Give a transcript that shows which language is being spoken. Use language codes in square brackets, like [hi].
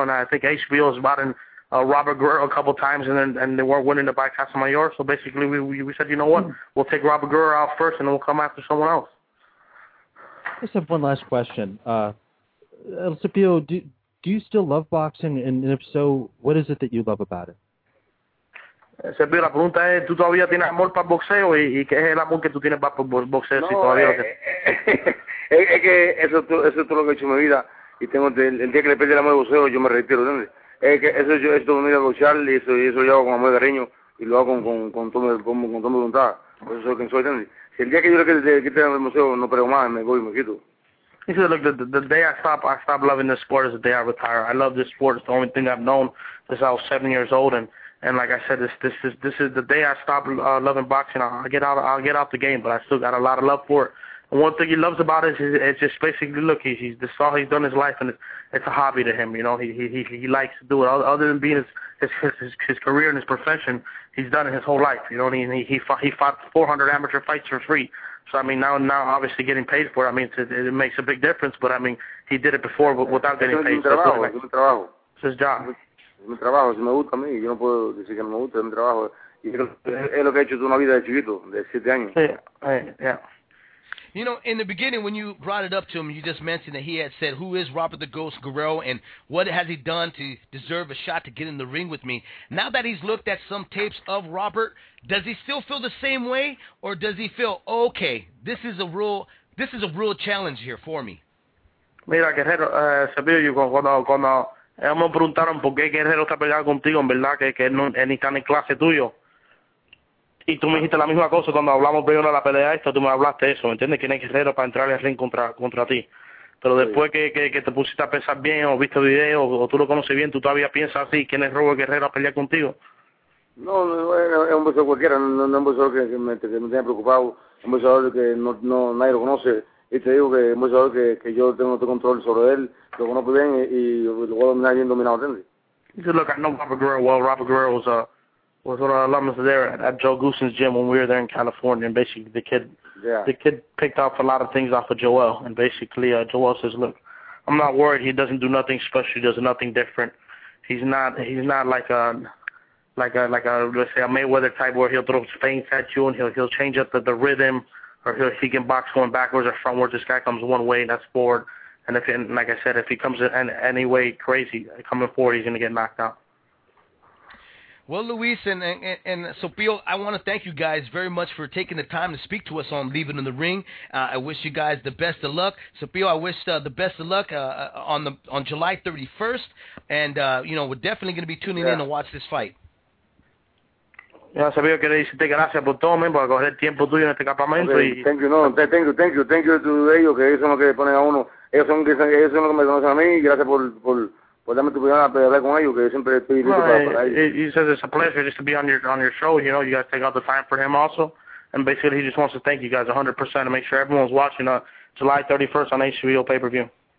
[en] And I think HBO has bought in Robert Guerrero a couple times, and they weren't willing to buy Casamayor. So basically, we said, you know what, we'll take Robert Guerrero out first, and then we'll come after someone else. I just have one last question. El Cepillo, do you still love boxing? And if so, what is it that you love about it? [es] El Cepillo, la pregunta es, ¿tú todavía tienes amor para el boxeo? ¿Y qué es el amor que tú tienes para el boxeo? No, si todavía es que eso es todo lo que he hecho en mi vida. Y tengo el día que le pierde el amor al boxeo, yo me retiro. ¿Entiendes? Es que eso yo estoy venido a boxear y eso yo hago con amor y cariño. Y lo hago con toda mi voluntad. Por eso es lo que soy, ¿entiendes? El día que yo le quité el museo, no pego más, me voy y me quito. [en] He said, look, the day I stop loving this sport is the day I retire. I love this sport. It's the only thing I've known since I was 7 years old. And like I said, this is the day I stop loving boxing. I'll get out the game, but I still got a lot of love for it. And one thing he loves about it is it's just basically, look, this is all he's done in his life, and it's a hobby to him. You know, he likes to do it. Other than being his career and his profession, he's done it his whole life. You know, and he fought 400 amateur fights for free. So, I mean, now obviously getting paid for it, I mean, it makes a big difference. But, I mean, he did it before without getting paid. It's his job. [es] Mi trabajo, si me gusta a mí, yo no puedo decir que no me gusta, es mi trabajo. Y es lo que he hecho toda una vida de chiquito, de 7 años. [en] Yeah. You know, in the beginning, when you brought it up to him, you just mentioned that he had said, who is Robert the Ghost Guerrero, and what has he done to deserve a shot to get in the ring with me? Now that he's looked at some tapes of Robert, does he still feel the same way, or does he feel, okay, this is a real challenge here for me? [es] Mira, Guerrero, sabía yo cuando ellos me preguntaron por qué Guerrero está peleado contigo, en verdad, que no ni está en clase tuyo. Y tú me dijiste la misma cosa cuando hablamos primero de la pelea esta, tú me hablaste eso, ¿me entiendes? ¿Quién es Guerrero para entrar al ring contra ti? Pero después que te pusiste a pensar bien, o viste videos, o tú lo conoces bien, ¿tú todavía piensas así? ¿Quién es Robert Guerrero a pelear contigo? No, es un beso cualquiera, no es un beso que me tenga preocupado. un boxeador que no, no nadie lo conoce, y te digo que es un boxeador que yo tengo todo control sobre él, lo conozco bien y lo voy a dominar bien dominado. [en] He said, look, I know Robert Guerrero well. Robert Guerrero was one of the alumnus there at Joe Goosen's gym when we were there in California, and basically the kid picked off a lot of things off of Joel, and basically Joel says, look, I'm not worried. He doesn't do nothing special. He does nothing different. He's not like a let's say a Mayweather type where he'll throw feints at you and he'll change up the rhythm, or he can box going backwards or frontwards. This guy comes one way and that's forward. And if and like I said, if he comes in any way crazy coming forward, he's gonna get knocked out. Well, Luis and Sopio, I want to thank you guys very much for taking the time to speak to us on Leaving in the Ring. I wish you guys the best of luck. Sopio, I wish the best of luck on July 31st. And, you know, we're definitely going to be tuning in to watch this fight. [es] Yeah, Sopio, quiero decirte gracias por todo, man, por coger el tiempo tuyo en este campamento. [en] Thank you, no, thank you. Thank you to [es] ellos, que ellos son los que ponen a uno. Ellos son los que me conocen a mí. Gracias por... [en] He says it's a pleasure just to be on your show. You know, you guys take out the time for him also. And basically, he just wants to thank you guys 100% and make sure everyone's watching July 31st on HBO pay-per-view.